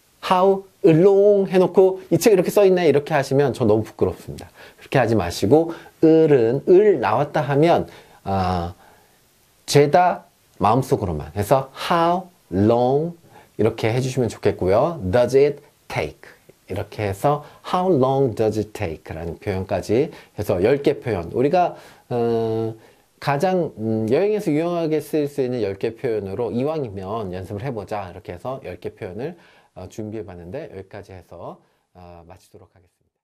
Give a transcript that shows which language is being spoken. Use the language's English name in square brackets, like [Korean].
[Korean] how, long 해놓고 이 책 이렇게 써있네 이렇게 하시면 저 너무 부끄럽습니다. 그렇게 하지 마시고 을은 을 나왔다 하면 죄다 마음속으로만 해서 [English] how long [Korean] 이렇게 해주시면 좋겠고요. [English] Does it take? [Korean] 이렇게 해서 [English] how long does it take? [Korean] 라는 표현까지 해서 10개 표현. 우리가 가장 여행에서 유용하게 쓰일 수 있는 10개 표현으로 이왕이면 연습을 해보자. 이렇게 해서 10개 표현을 준비해봤는데 여기까지 해서 마치도록 하겠습니다.